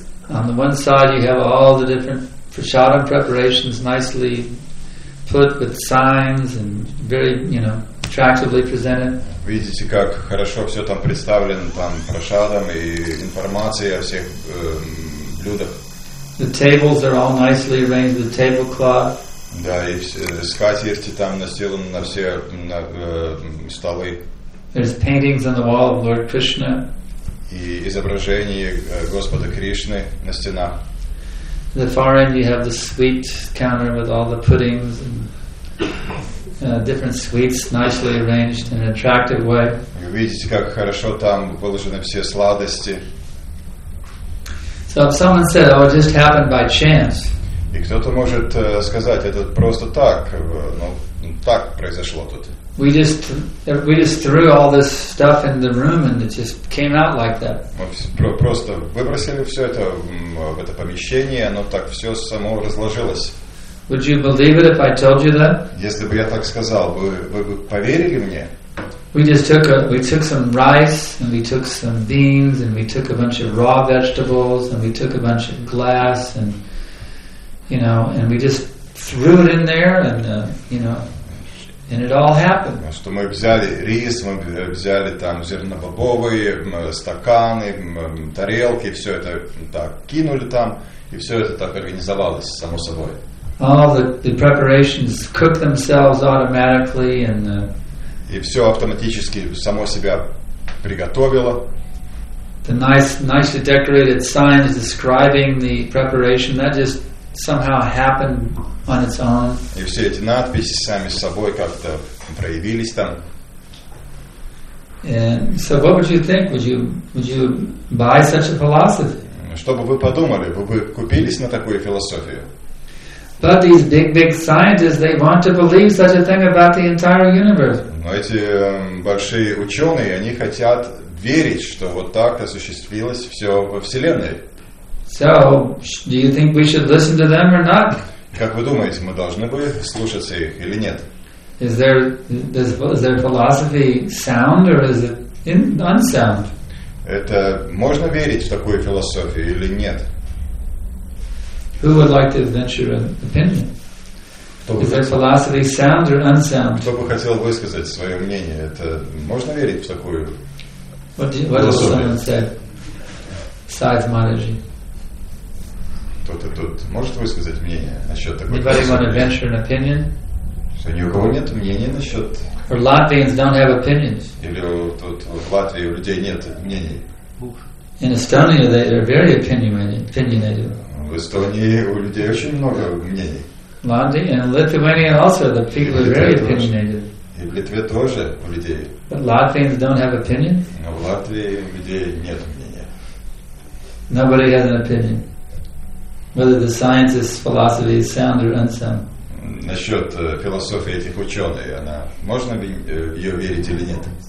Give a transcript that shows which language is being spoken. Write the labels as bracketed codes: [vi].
[en] On the one side you have all the different prasadam preparations nicely put with signs and very, you know, attractively presented. [ru] Видите, как хорошо все там представлено, там прасадам и информации о всех блюдах. [en] The tables are all nicely arranged, the tablecloth. [ru] Да, и скатерти там настелены на все столы. [en] There's paintings on the wall of Lord Krishna. [ru] И изображения Господа Кришны на стенах. [en] At the far end you have the sweet counter with all the puddings and different sweets nicely arranged in an attractive way. [ru] Вы видите, как хорошо там выложены все сладости. [en] So if someone said, oh, it just happened by chance. [ru] И кто-то может сказать, это просто так, ну, так произошло тут. [en] We just threw all this stuff in the room and it just came out like that. [ru] Мы просто выбросили все это в это помещение, оно так все само разложилось. [en] Would you believe it if I told you that? [ru] Если бы я так сказал, вы бы поверили мне? [en] We took some rice and we took some beans and we took a bunch of raw vegetables and we took a bunch of glass and, you know, and we just threw it in there and you know. And it all happened. [ru] Что мы взяли рис, мы взяли там зернобобовые стаканы, тарелки, все это так кинули там, и все это так организовалось само собой. [en] All the preparations cook themselves automatically, and [ru] и все автоматически само себя приготовило. [en] The nicely decorated sign is describing the preparation. That just somehow happened on its own. [ru] И все эти надписи сами с собой как-то проявились там. [en] And so what would you think? Would you buy such a philosophy? [ru] Что бы вы подумали? Вы бы купились на такую философию? [en] But these big scientists, they want to believe such a thing about the entire universe. [ru] Но эти большие ученые, они хотят верить, что вот так осуществилось все во Вселенной. [en] So, do you think we should listen to them or not? [ru] Как вы думаете, мы должны бы слушаться их или нет? [en] Is their philosophy sound or is it unsound? [ru] Это можно верить в такую философию или нет? [en] Who would like to venture an opinion? Is their philosophy sound or unsound? [ru] Кто бы хотел высказать свое мнение? Это можно верить в такую философию? [en] What does someone say? Sajmanaji. [ru] Кто-то тут может высказать мнение насчет такой [en] Anybody [ru] философии? [en] Anybody want to venture an opinion? [ru] Что ни у кого нет мнения насчет... [en] Or Latvians don't have opinions. [ru] Или тут в Латвии у людей нет мнений. [en] In Estonia they are very opinionated. [ru] В Эстонии у людей очень много мнений. [en] And Lithuania also, the people are very opinionated. [ru] И в Литве тоже у людей. [en] But Latvians don't have opinion? [ru] Но в Латвии у людей нет мнения. [en] Nobody has an opinion. Whether the scientist's philosophy is sound or unsound. [ru] насчет философии этих ученых, она, можно ли ее верить или нет?